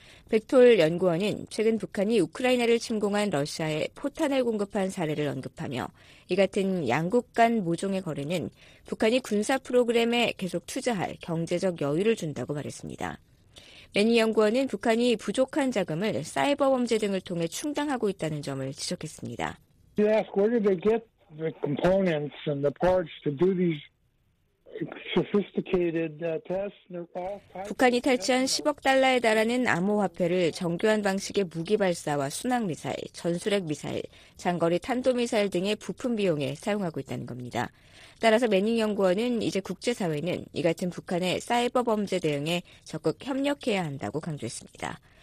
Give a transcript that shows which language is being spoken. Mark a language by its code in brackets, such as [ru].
[ko] 백톨 연구원은 최근 북한이 우크라이나를 침공한 러시아에 포탄을 공급한 사례를 언급하며 이 같은 양국 간 모종의 거래는 북한이 군사 프로그램에 계속 투자할 경제적 여유를 준다고 말했습니다. 매니 연구원은 북한이 부족한 자금을 사이버 범죄 등을 통해 충당하고 있다는 점을 지적했습니다. [en] You ask where did they get the components and the parts to do these [ko] 북한이 탈취한 10억 달러에 달하는 암호화폐를 정교한 방식의 무기발사와 순항미사일, 전술핵미사일, 장거리 탄도미사일 등의 부품 비용에 사용하고 있다는 겁니다. 따라서 매닝 연구원은 이제 국제사회는 이 같은 북한의 사이버 범죄 대응에 적극 협력해야 한다고 강조했습니다.